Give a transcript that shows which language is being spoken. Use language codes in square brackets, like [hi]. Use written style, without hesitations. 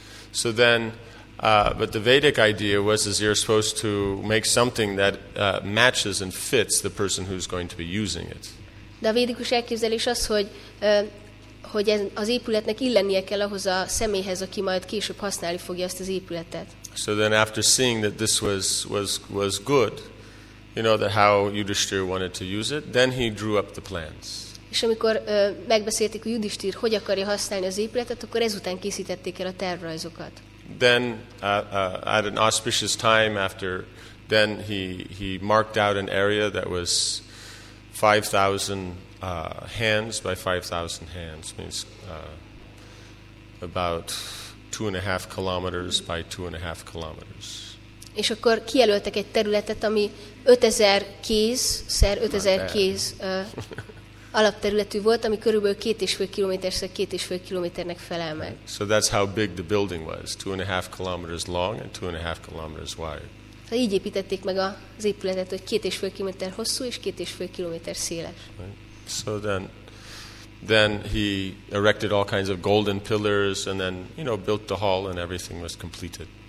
[en] So then, but the Vedic idea was is you're supposed to make something that matches and fits the person who's going to be using it. [hu] De a védikus elképzelés az, hogy hogy ez, az épületnek illennie kell ahhoz a személyhez, aki majd később használni fogja ezt az épületet. [en] So then after seeing that this was good, you know, that how Yudhishthir wanted to use it, then he drew up the plans. [hu] És amikor megbeszélték, hogy Yudhishthir hogy akarja használni az épületet, akkor ezután készítették el a tervrajzokat. [en] Then at an auspicious time after then he marked out an area that was 5000 hands by 5000 hands means about 2.5 kilometers by 2.5 kilometers. [hu] És akkor kijelöltek egy területet, ami 5000 kéz szer 5000 kéz alapterületű volt, ami körülbelül 2.5 kilométernek felel meg. [en] Right. So that's how big the building was, 2.5 kilometers long and 2.5 kilometers wide. [hu] Ha így építették meg az épületet, hogy 2.5 kilométer hosszú és 2.5 kilométer széles. [en] Right. So then he erected all kinds of golden pillars and then, you know, built the hall and everything was completed.